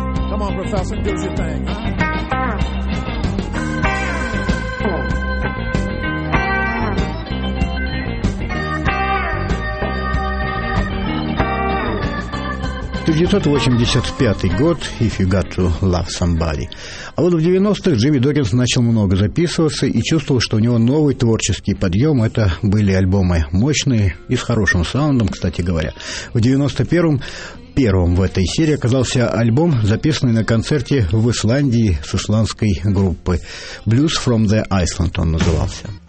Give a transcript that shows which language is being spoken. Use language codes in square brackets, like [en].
[en] Come on, Professor, do your thing, huh? год, If You Got to Love Somebody. [ru] А вот в 90-х Джимми Докинс начал много записываться и чувствовал, что у него новый творческий подъем. Это были альбомы мощные и с хорошим саундом, кстати говоря. В 91-м первым в этой серии оказался альбом, записанный на концерте в Исландии с исландской группы. Blues from the Iceland он назывался.